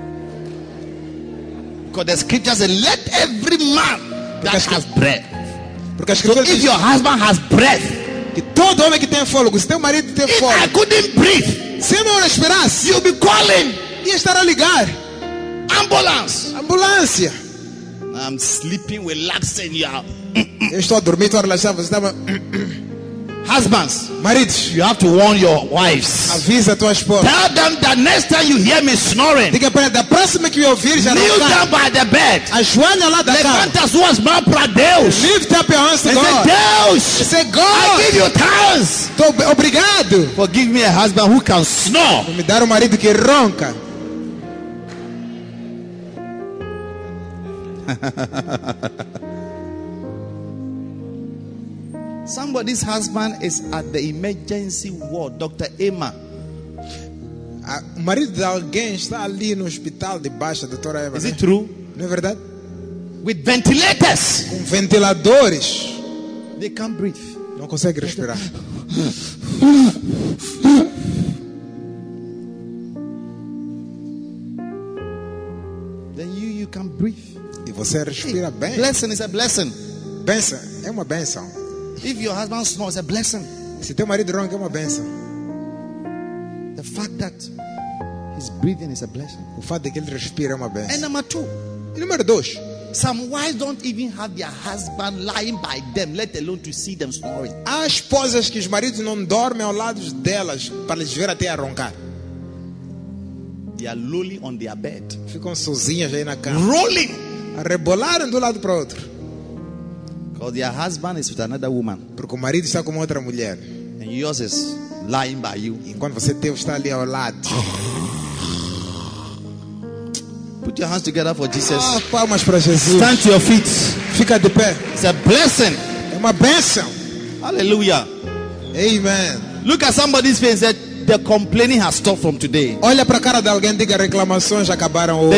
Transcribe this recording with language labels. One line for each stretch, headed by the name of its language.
English: Because the scripture says, let every man that has breath.
Portuguese: Porque a escritura diz,
English: if your husband has breath.
Portuguese: Que todo homem que tem fôlego, se teu marido tem fôlego,
English: I couldn't breathe,
Portuguese: se eu não respirasse,
English: you'll be calling,
Portuguese: ia estar a ligar, ambulância.
English: I'm sleeping, relaxing, you are.
Portuguese: Eu estou a dormir, estou a relaxar, você está a...
English: Husbands,
Portuguese: maridos,
English: you have to warn your wives.
Portuguese: Avisa a tua esposa.
English: Tell them that next time you hear me snoring.
Portuguese: Diga para ela da próxima que me ouvir já não está.
English: Kneel by the bed.
Portuguese: Ajoelha lá da cama. Levanta as suas mãos para Deus.
English: Lift up your hands to God.
Portuguese: Deus.
English: Say God. I give you thanks.
Portuguese: Obrigado.
English: For give me a husband who can snore.
Portuguese: Me dar marido que ronca.
English: Somebody's husband is at the emergency ward, Dr. Emma.
Portuguese: O marido de alguém está ali no hospital de baixo, Dr. Emma.
English: Is it true?
Portuguese: Não é verdade?
English: With ventilators.
Portuguese: Com ventiladores.
English: They can't breathe.
Portuguese: Não consegue respirar.
English: Then you can breathe.
Portuguese: E você respira bem.
English: Blessing is a blessing.
Portuguese: Benção é uma benção.
English: If your husband snores, it's a blessing.
Portuguese: Se teu marido ronca, é uma benção.
English: The fact that he's breathing is a blessing.
Portuguese: O fato de que ele respira é uma benção.
English: And number two.
Portuguese: E número dois.
English: Some wives don't even have their husband lying by them, let alone to see them snoring.
Portuguese: Há esposas que os maridos não dormem ao lado delas para lhes ver até a roncar.
English: They are lonely on their bed.
Portuguese: Ficam sozinhas aí na cama.
English: Rolling.
Portuguese: A rebolar de um lado para o outro.
English: Because your husband is with another woman.
Portuguese: Porque o marido está com outra mulher.
English: And yours is lying by you.
Portuguese: Enquanto você teu está ali ao lado.
English: Put your hands together for Jesus.
Portuguese: Ah, palmas para Jesus.
English: Stand to your feet.
Portuguese: Fica de pé.
English: It's a blessing.
Portuguese: É uma bênção.
English: Hallelujah. Amen. Look at somebody's face and say, the complaining has stopped from today.
Portuguese: Olha para a cara de alguém e diga, reclamações acabaram hoje.